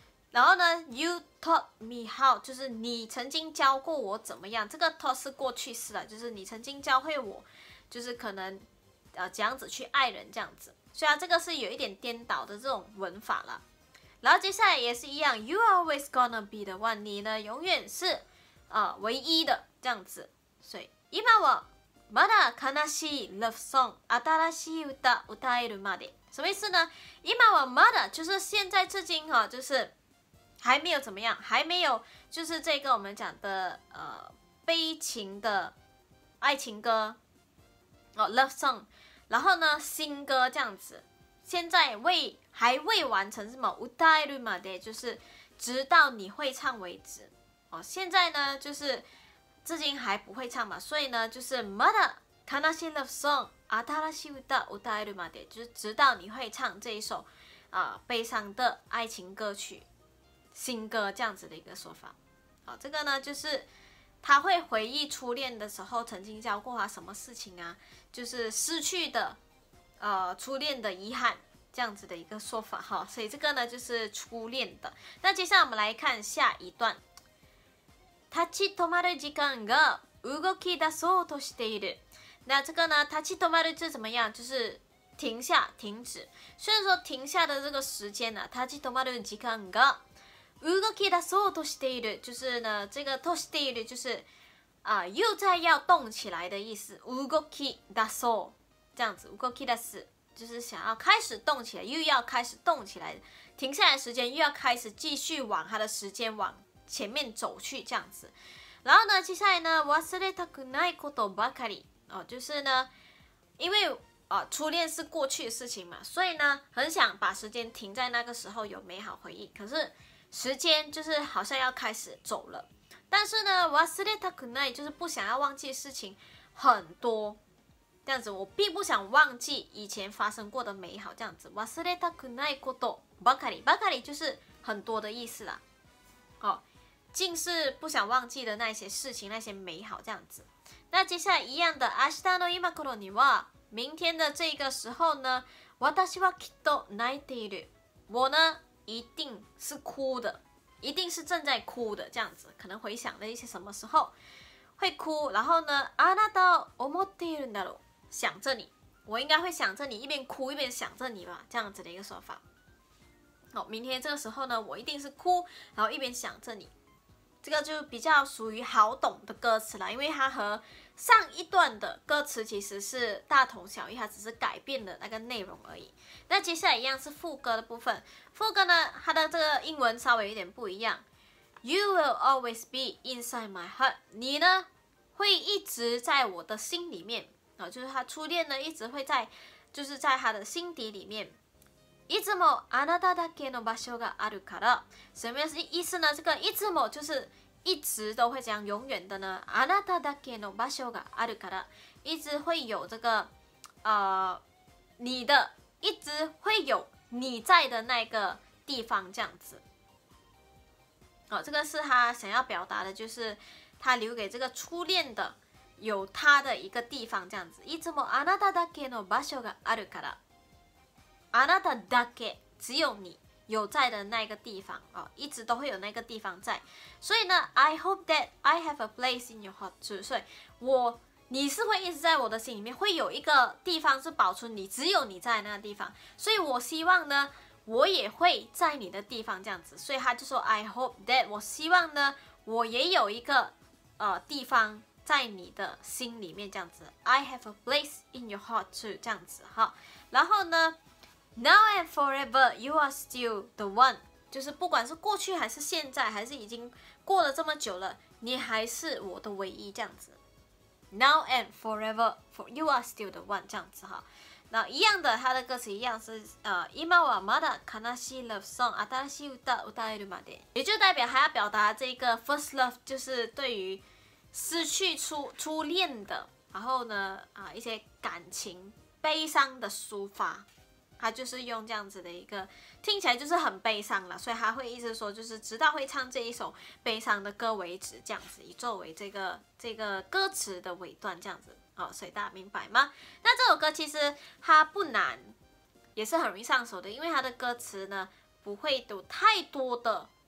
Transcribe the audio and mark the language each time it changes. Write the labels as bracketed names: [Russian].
[Chinese] 然后呢 ， [English] You taught me how， [Chinese] 就是你曾经教过我怎么样。这个 taught 是过去式的，就是你曾经教会我，就是可能怎样子去爱人这样子。所以啊，这个是有一点颠倒的这种文法了。然后接下来也是一样 ， [English] You are always gonna be the one， [Chinese] 你呢永远是唯一的这样子。所以 [Japanese] 今はまだ悲しい love song 新しい歌歌えるまで， [Chinese] 什么意思呢？ [Japanese] 今はまだ [Chinese] 就是现在至今哈，就是还没有怎么样，还没有就是这个我们讲的悲情的爱情歌哦 love song， 然后呢新歌这样子，现在还未完成什么 [Japanese] 歌えるまで， [Chinese] 就是直到你会唱为止哦。现在呢就是至今还不会唱嘛，所以呢就是 [Japanese] まだ悲しい love song 新しい歌歌えるまで， [Chinese] 就是直到你会唱这一首悲伤的爱情歌曲新歌这样子的一个说法。好，这个呢就是他会回忆初恋的时候曾经教过他什么事情啊，就是失去的初恋的遗憾这样子的一个说法。好，所以这个呢就是初恋的。那接下来我们来看下一段。 [Japanese] 立ち止まる時間が動き出そうとしている。 [Chinese] 那这个呢 [Japanese] 立ち止まる [Chinese] 是怎么样，就是停下停止。虽然说停下的这个时间啊， [Japanese] 立ち止まる時間が動き出そうとしている， [Chinese] 就是呢这个 [Japanese] としている [Chinese] 就是又在要动起来的意思。 [Japanese] 動き出そう [Chinese] 这样子， [Japanese] 動き出す [Chinese] 就是想要开始动起来，又要开始动起来，停下来的时间又要开始继续往他的时间往前面走去这样子。然后呢接下来呢 [Japanese] 忘れたくないことばかり， [Chinese] 就是呢因为初恋是过去的事情嘛，所以呢很想把时间停在那个时候有美好回忆，可是时间就是好像要开始走了。但是呢 [Japanese] 忘れたくない [Chinese] 就是不想要忘记事情很多这样子，我并不想忘记以前发生过的美好这样子。 [Japanese] 忘れたくないことばかり，ばかり [Chinese] 就是很多的意思啦，竟是不想忘记的那些事情那些美好这样子。那接下来一样的， [Japanese] 明日の今頃には， [Chinese] 明天的这个时候呢， [Japanese] 私はきっと泣いている， [Chinese] 我呢一定是哭的，一定是正在哭的这样子。可能回想了一些什么时候会哭，然后呢 [Japanese] あなたを思っているんだろう， [Chinese] 想着你，我应该会想着你，一边哭一边想着你吧，这样子的一个说法。好，明天这个时候呢我一定是哭然后一边想着你，这个就比较属于好懂的歌词了，因为它和上一段的歌词其实是大同小异，它只是改变了那个内容而已。那接下来一样是副歌的部分，副歌呢它的这个英文稍微有点不一样。 [English] You will always be inside my heart， [Chinese] 你呢会一直在我的心里面，就是他初恋呢一直会在就是在他的心底里面。 [Japanese] いつもあなただけの場所があるから， [Chinese] 什么意思呢？这个 [Japanese] いつも [Chinese] 就是一直都会这样，永远的呢 [Japanese] あなただけの場所があるから， [Chinese] 一直会有这个你的，一直会有你在的那个地方这样子。这个是他想要表达的，就是他留给这个初恋的有他的一个地方这样子。 [Japanese] いつもあなただけの場所があるから，あなただけ [Chinese] 只有你有在的那个地方，一直都会有那个地方在。所以呢 [English] I hope that I have a place in your heart too， [Chinese] 所以你是会一直在我的心里面，会有一个地方是保存你，只有你在那个地方，所以我希望呢我也会在你的地方这样子。所以他就说 [English] I hope that， [Chinese] 我希望呢我也有一个地方在你的心里面这样子。 [English] I have a place in your heart too [Chinese] 这样子。好，然后呢 [English] Now and forever, you are still the one， [Chinese] 就是不管是过去还是现在，还是已经过了这么久了，你还是我的唯一这样子。 [English] Now and forever, you are still the one [Chinese] 这样子哈。那一样的，他的歌词一样是 [Japanese] 今はまだ悲しい love song 新しい歌歌えるまで， [Chinese] 也就代表他要表达这个 [English] first love， [Chinese] 就是对于失去初恋的，然后呢一些感情悲伤的抒发。他就是用这样子的一个，听起来就是很悲伤了，所以他会一直说，就是直到会唱这一首悲伤的歌为止，这样子以作为这个歌词的尾段，这样子哦，所以大家明白吗？那这首歌其实它不难，也是很容易上手的，因为它的歌词呢不会有太多的